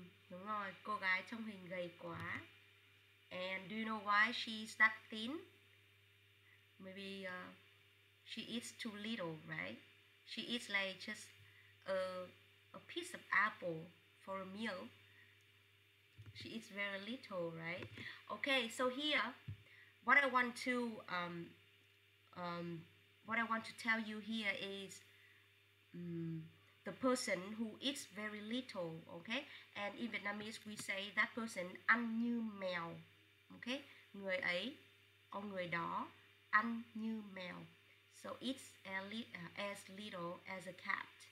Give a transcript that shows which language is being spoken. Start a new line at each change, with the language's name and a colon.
Vietnamese: Đúng rồi, cô gái trong hình gầy quá.
English: And do you know why she's that thin? Maybe she eats too little, right? She eats like just a piece of apple for a meal. She eats very little, right? Okay, so here, what I want to tell you here is the person who eats very little, okay? And in Vietnamese, we say that person
Vietnamese: ăn như mèo,
English: okay?
Vietnamese: Người ấy, or người đó, ăn như mèo.
English: So eats as little as a cat.